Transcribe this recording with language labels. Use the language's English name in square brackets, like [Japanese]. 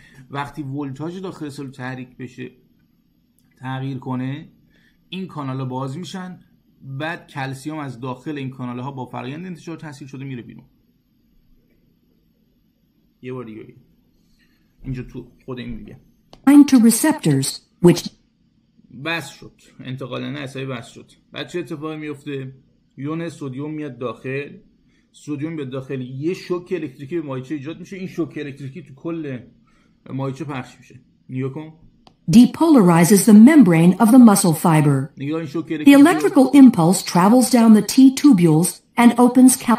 [Persian] وقتی ولتاژ داخل سلول تحریک بشه تغییر کنه، این کانال ها باز میشن، بعد کلسیوم از داخل این کانال ها با فرایند انتشار تاثیر شده میره بیرون. یه بار دیگه اینجا تو خود این میگه [English] bind to receptors which [Persian] بس شد، انتقال نه عصبی بس شد. بعد چه اتفاقی میفته؟ یون سدیم میاد داخل، سدیم میاد داخل، یه شوک الکتریکی به ماهیچه ایجاد میشه، این شوک الکتریکی تو کل ماهیچه پخش میشه. نگاه کن. [English] Depolarizes the membrane of the muscle fiber. The electrical impulse travels down the T-tubules and opens